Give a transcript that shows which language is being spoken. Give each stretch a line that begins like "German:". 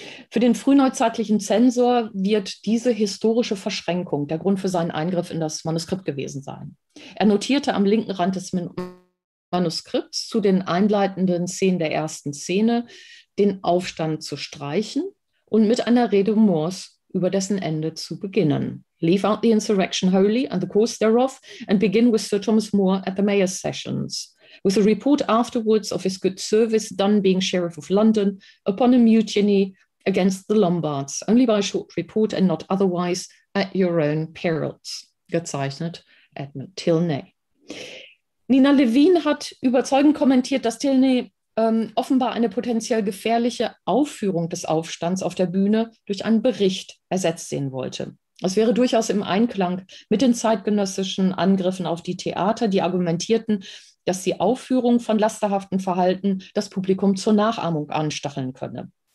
German: Für den frühneuzeitlichen Zensor wird diese historische Verschränkung der Grund für seinen Eingriff in das Manuskript gewesen sein. Er notierte am linken Rand des Manuskripts zu den einleitenden Szenen der ersten Szene, den Aufstand zu streichen und mit einer Rede Moores über dessen Ende zu beginnen.
English: Leave out the insurrection wholly and the cause thereof and begin with Sir Thomas More at the mayor's sessions, with a report afterwards of his good service done being sheriff of London upon a mutiny against the Lombards, only by a short report and not otherwise, at your own perils, gezeichnet Edmund Tilney.
German: Nina Levin hat überzeugend kommentiert, dass Tilney offenbar eine potenziell gefährliche Aufführung des Aufstands auf der Bühne durch einen Bericht ersetzt sehen wollte. Es wäre durchaus im Einklang mit den zeitgenössischen Angriffen auf die Theater, die argumentierten, dass die Aufführung von lasterhaften Verhalten das Publikum zur Nachahmung anstacheln könne.